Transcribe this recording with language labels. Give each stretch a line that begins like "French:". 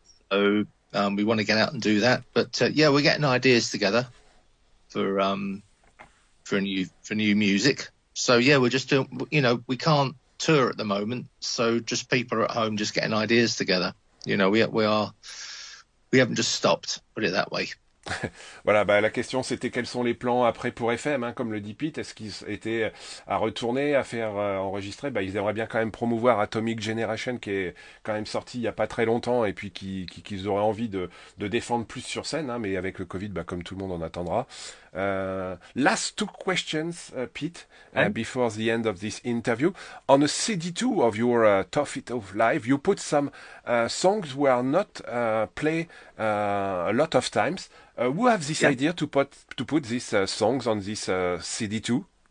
English: So we want to get out and do that. But yeah, we're getting ideas together for new music. So yeah, we're just doing, you know, we can't tour at the moment. So just people are at home just getting ideas together. You know, we are... We haven't just stopped, put it that way.
French: Voilà, bah, la question c'était quels sont les plans après pour FM, hein, comme le dit Pete, est-ce qu'ils étaient à retourner, à faire enregistrer? Bah, ils aimeraient bien quand même promouvoir Atomic Generation qui est quand même sorti il n'y a pas très longtemps et puis qu'ils auraient envie de défendre plus sur scène, hein, mais avec le Covid, bah, comme tout le monde en attendra.
English: Last two questions, Pete, before the end of this interview. On a CD2 of your Tough It Off Live, you put some songs were not played a lot of times. Who have this idea to put these songs on this CD2?